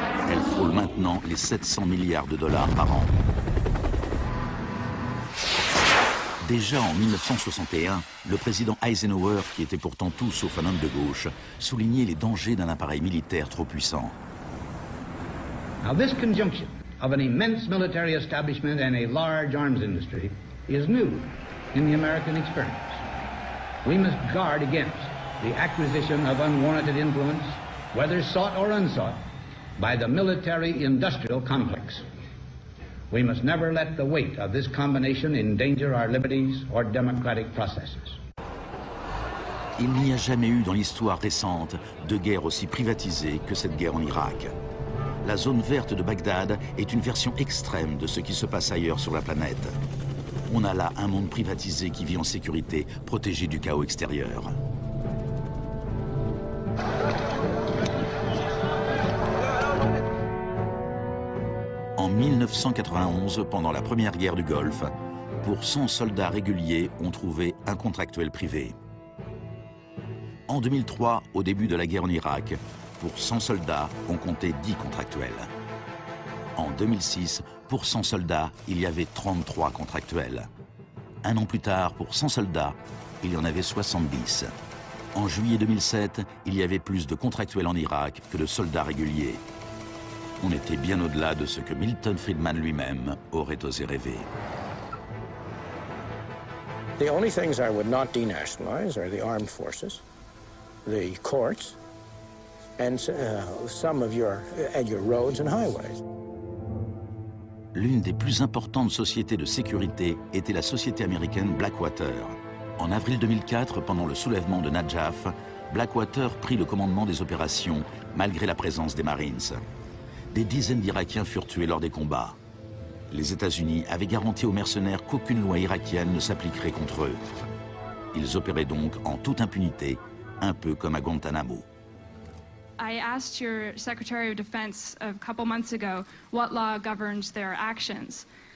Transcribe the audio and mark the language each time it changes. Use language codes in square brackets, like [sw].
[fr] Elles frôlent maintenant les 700 milliards de dollars par an. Déjà en 1961, le président Eisenhower, qui était pourtant tout sauf un homme de gauche, soulignait les dangers d'un appareil militaire trop puissant. [en] Now this conjunction of an immense military establishment and a large arms industry is new in the American experience. We must guard against the acquisition of unwarranted influence, whether sought or unsought, by the military-industrial complex. We must never let the weight of this combination endanger our liberties or democratic processes. [fr] Il n'y a jamais eu dans l'histoire récente de guerre aussi privatisée que cette guerre en Irak. La zone verte de Bagdad est une version extrême de ce qui se passe ailleurs sur la planète. On a là un monde privatisé qui vit en sécurité, protégé du chaos extérieur. En 1991, pendant la première guerre du Golfe, pour 100 soldats réguliers, on trouvait un contractuel privé. En 2003, au début de la guerre en Irak, pour 100 soldats, on comptait 10 contractuels. En 2006, pour 100 soldats, il y avait 33 contractuels. Un an plus tard, pour 100 soldats, il y en avait 70. En juillet 2007, il y avait plus de contractuels en Irak que de soldats réguliers. On était bien au-delà de ce que Milton Friedman lui-même aurait osé rêver. [en] The only things I would not denationalize are the armed forces, the courts, and some of your roads and highways. [fr] L'une des plus importantes sociétés de sécurité était la société américaine Blackwater. En avril 2004, pendant le soulèvement de Najaf, Blackwater prit le commandement des opérations, malgré la présence des Marines. Des dizaines d'Irakiens furent tués lors des combats. Les États-Unis avaient garanti aux mercenaires qu'aucune loi irakienne ne s'appliquerait contre eux. Ils opéraient donc en toute impunité, un peu comme à Guantanamo. [en] I asked your Secretary of Defense a couple months ago what law governs their actions.